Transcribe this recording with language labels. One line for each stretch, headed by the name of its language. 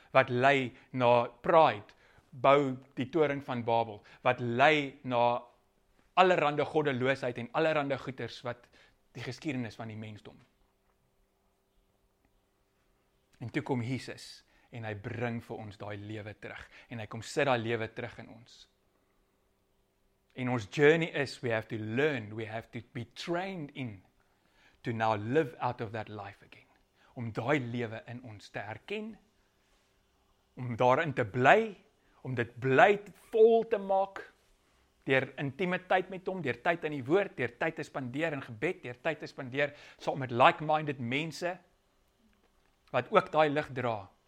Afrikaans: Wat lei na pride, bou die toring van Babel. Wat lei na allerhande goddeloosheid en allerhande goeders wat die geskiedenis van die mensdom. En toe kom Jesus en hy bring vir ons daai lewe terug. En hy kom sit daai lewe terug in ons. En ons
English: journey is, we have to learn, we have to be trained in to now live out of that life again.
Afrikaans: Om daai lewe in ons te herken, om daarin te bly, om dit bly vol te maak, deur intimiteit met hom, deur tyd in die woord, deur tyd te spandeer in gebed, deur tyd te spandeer saam met like-minded mense, wat ook daai lig dra.